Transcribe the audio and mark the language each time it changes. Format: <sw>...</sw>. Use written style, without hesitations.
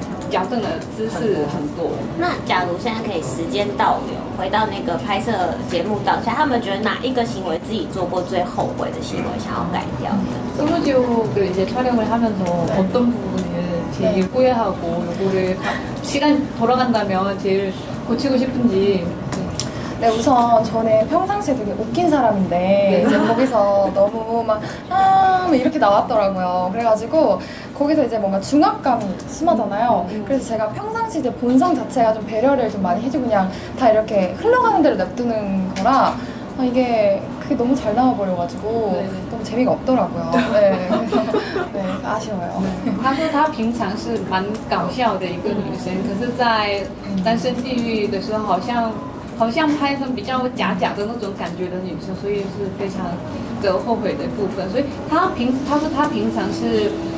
<zh>矫正了姿势很多。那假如现在可以时间倒流，回到那个拍摄节目当下，他们觉得哪一个行为自己做过最后悔的行为，想要改掉的？这么久，对，</zh> <ko>촬영을하면서어떤부분을 제일 후회하고 누구를 시간 돌아간다면 제일 고치고 싶은지. 네, 우선 저는 평상시에 되게 웃긴 사람인데 이제 거기서 너무 막 이렇게 나왔더라고요. 그래가지고 거기서 이제 뭔가 중압감이 심하잖아요. 그래서 제가 평상시 이제 본성 자체가 좀 배려를 좀 많이 해주고 그냥 다 이렇게 흘러가는 대로 냅두는 거라 아, 이게 그게 너무 잘 나와버려가지고 너무 재미가 없더라고요. 네, 아쉬워요.</ko> <zh>她说她 平常是蛮搞笑的一个女生，可是，在单身地狱的时候，好像拍成比较假假的那种感觉的女生，所以是非常的后悔的部分。所以她说她平常是。</zh>